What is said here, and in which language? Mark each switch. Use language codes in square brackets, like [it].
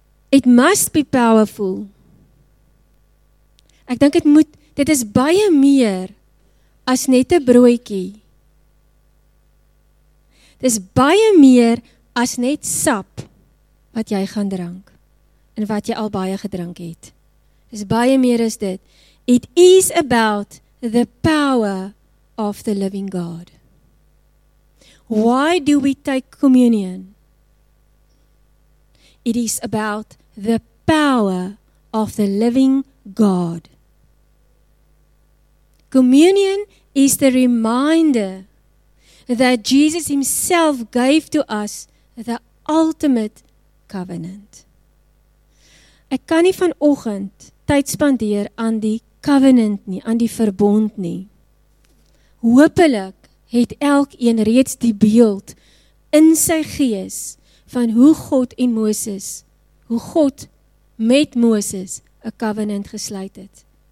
[en] It must be powerful. [af] Ek dink dit is baie meer as net 'n broodjie. Dit is baie meer as net sap wat jy gaan drink en wat jy al baie gedrink het. Dit is baie meer as dit. [en] It is about the power of the living God. Why do we take communion? It is about the power of the living God. Communion is the reminder that Jesus himself gave to us the ultimate covenant. [af] Ek kan nie vanoggend tyd spandeer aan die covenant nie, aan die verbond nie. Hoopelik het elkeen reeds die beeld in sy gees van hoe God en Moses, hoe God met Moses 'n covenant gesluit het.